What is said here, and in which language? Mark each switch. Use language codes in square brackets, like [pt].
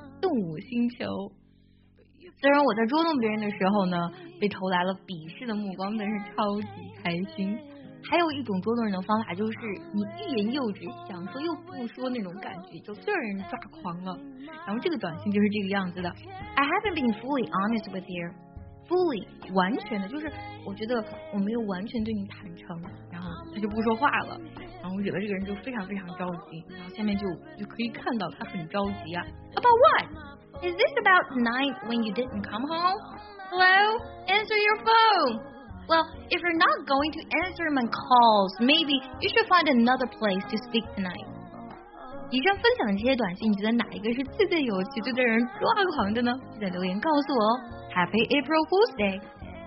[zh] 动物星球。虽然我在捉弄别人的时候呢，被投来了鄙视的目光，但是超级开心。还有一种捉弄人的方法，就是你欲言又止，想说又不说那种感觉，就最让人抓狂了。然后这个短信就是这个样子的。 [en] I haven't been fully honest with you. [zh] Fully, 完全的，就是我觉得我没有完全对你坦诚。他就不说话了，然后我觉得这个人就非常非常着急，然后下面就可以看到他很着急啊。 [en] About what? Is this about the night when you didn't come home? Hello? Answer your phone. Well, if you're not going to answer my calls, maybe you should find another place to speak tonight. [zh] 以上分享的这些短信，你觉得哪一个是最最有趣、最最让人抓狂的呢？记得留言告诉我哦。 [en] Happy April Fool's Day!